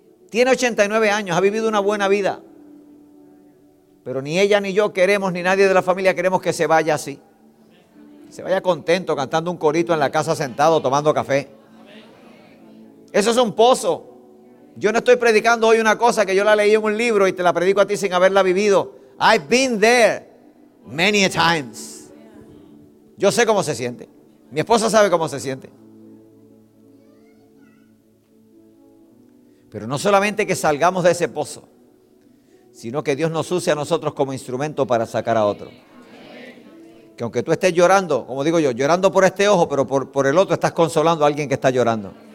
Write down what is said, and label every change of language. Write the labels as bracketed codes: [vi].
[es] Tiene 89 años, ha vivido una buena vida. Pero ni ella ni yo queremos, ni nadie de la familia queremos que se vaya así. Se vaya contento, cantando un corito en la casa sentado, tomando café. Eso es un pozo. Yo no estoy predicando hoy una cosa que yo la leí en un libro y te la predico a ti sin haberla vivido. [en] I've been there many a times. [es] Yo sé cómo se siente. Mi esposa sabe cómo se siente. Pero no solamente que salgamos de ese pozo, sino que Dios nos use a nosotros como instrumento para sacar a otro. Que aunque tú estés llorando, como digo yo, llorando por este ojo, pero por el otro estás consolando a alguien que está llorando.